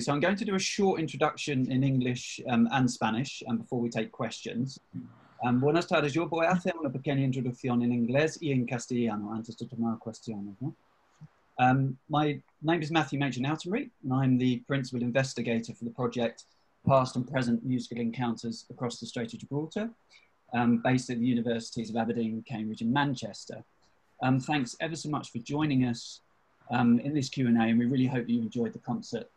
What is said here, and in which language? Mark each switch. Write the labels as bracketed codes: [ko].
[en] So I'm going to do a short introduction in English and Spanish and before we take questions. [es] Buenas tardes, yo voy a hacer una pequeña introducción en inglés y en castellano antes de tomar cuestiones. ¿No? [en] My name is Matthew Machin-Altenry, and I'm the principal investigator for the project Past and Present Musical Encounters Across the Strait of Gibraltar, based at the Universities of Aberdeen, Cambridge and Manchester. Thanks ever so much for joining us in this Q&A, and we really hope you enjoyed the concert.